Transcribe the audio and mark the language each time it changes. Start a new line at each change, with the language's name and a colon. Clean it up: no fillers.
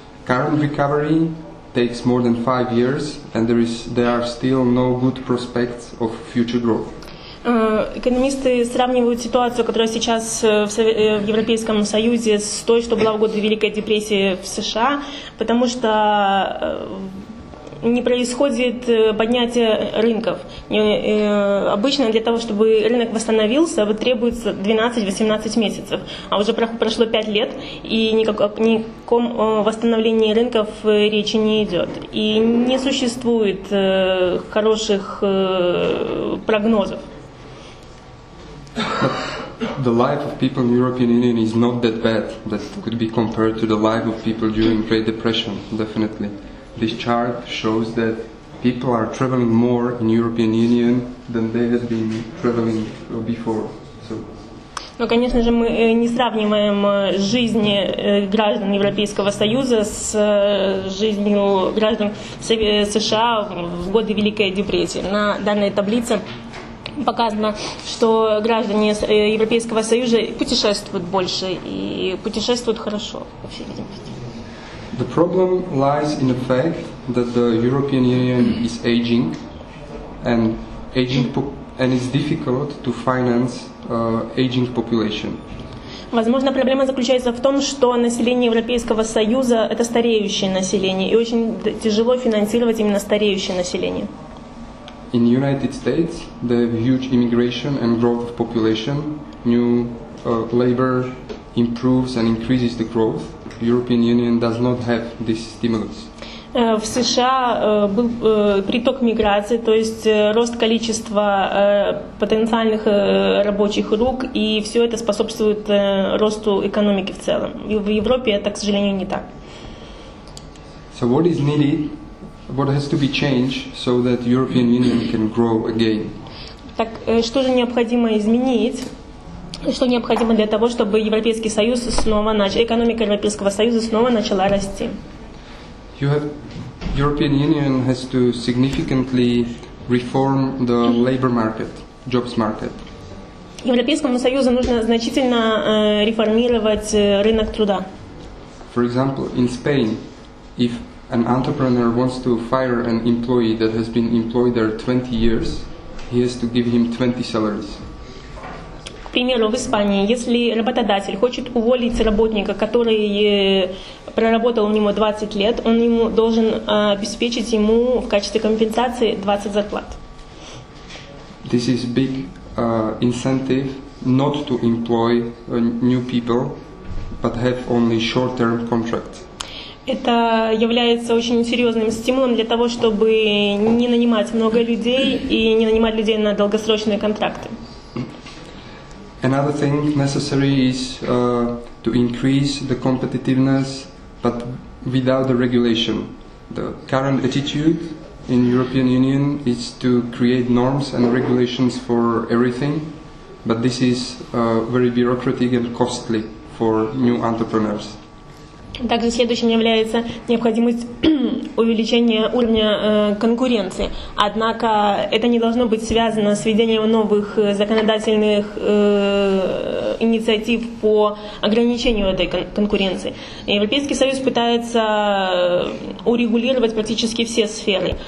English: Current recovery takes more than 5 years, and there are still no good prospects of future growth.
Russian: Экономисты сравнивают ситуацию, которая сейчас в Европейском Союзе, с той, что была в годы Великой депрессии в США, потому что не происходит поднятие рынков. Обычно для того, чтобы рынок восстановился, требуется 12-18 месяцев. А уже прошло 5 лет, и никаком восстановлении рынков речи не идет. И не существует хороших прогнозов.
English: But the life of people in the European Union is not that bad that could be compared to the life of people during Great Depression, definitely. This chart shows that people are traveling more in European Union than they have been traveling before. So.
Russian: Но, конечно же, мы не сравниваем жизни граждан Европейского Союза с жизнью граждан США в годы Великой депрессии. На данной таблице показано, что граждане Европейского Союза путешествуют больше и путешествуют хорошо, по всей видимости.
English: The problem lies in the fact that the European Union is aging, and and it's difficult to finance aging population.
Russian: Возможно, проблема заключается в том, что население Европейского Союза это стареющее население, и очень тяжело финансировать именно стареющее население.
English: In the United States, the huge immigration and growth of population, new labor improves and increases the growth. European Union does not have this stimulus.
Russian: В США был приток миграции, то есть рост количества потенциальных рабочих рук, и все это способствует росту экономики в целом. И в Европе это, к сожалению, не так.
English: So what is needed? What has to be changed so that European Union can grow again?
Russian: Так что же необходимо изменить? Что необходимо для того, чтобы Европейский Союз снова начал, экономика Европейского Союза снова начала расти?
English: European Union has to significantly reform the labor market, jobs market.
Russian: Европейскому Союзу нужно значительно реформировать рынок труда.
English: For example, in Spain, if an entrepreneur wants to fire an employee that has been employed there 20 years, he has to give him 20 salaries.
Russian: К примеру, в Испании, если работодатель хочет уволить работника, который проработал у него 20 лет, он ему должен обеспечить ему в качестве компенсации 20 зарплат.
English: This is big incentive not to employ new people, but have only short-term contracts.
Russian: Это является очень серьезным стимулом для того, чтобы не нанимать много людей и не нанимать людей на долгосрочные контракты.
English: Another thing necessary is to increase the competitiveness, but without the regulation. The current attitude in European Union is to create norms and regulations for everything, but this is very bureaucratic and costly for new entrepreneurs.
Russian: Также следующим является необходимость увеличения уровня конкуренции. Однако это не должно быть связано с введением новых законодательных инициатив по ограничению этой конкуренции. Европейский Союз пытается урегулировать практически все сферы.